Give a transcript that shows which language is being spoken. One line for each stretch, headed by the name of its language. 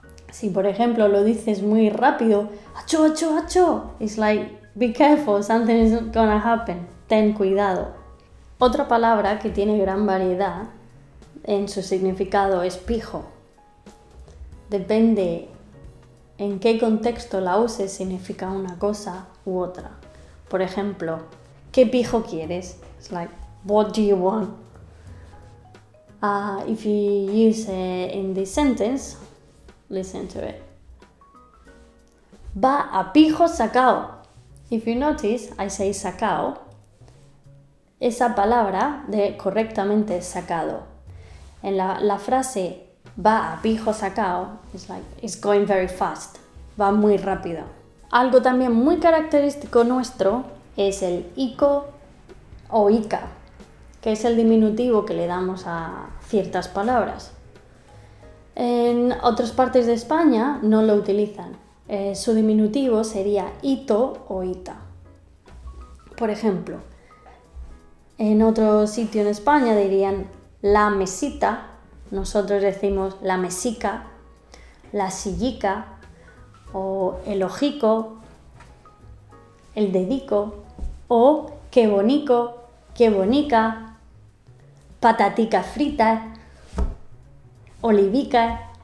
Spanish: Si por ejemplo lo dices muy rápido, acho, acho, acho, es
English: like, be careful, something is gonna happen,
Spanish: ten cuidado. Otra palabra que tiene gran variedad en su significado es pijo. Depende en qué contexto la uses, significa una cosa u otra. Por ejemplo, ¿qué pijo quieres?
English: It's like, what do you want? If you use it in this sentence, listen to it.
Spanish: Va a pijo sacao.
English: If you notice, I say sacao.
Spanish: Esa palabra de correctamente sacado. En la frase va a pijo sacao,
English: it's like, it's going very fast.
Spanish: Va muy rápido. Algo también muy característico nuestro es el ico o ica, que es el diminutivo que le damos a ciertas palabras. En otras partes de España no lo utilizan. Su diminutivo sería ito o ita. Por ejemplo, en otro sitio en España dirían la mesita, nosotros decimos la mesica, la sillica, o el ojico, el dedico, o qué bonico, qué bonica, patatica frita, olivica.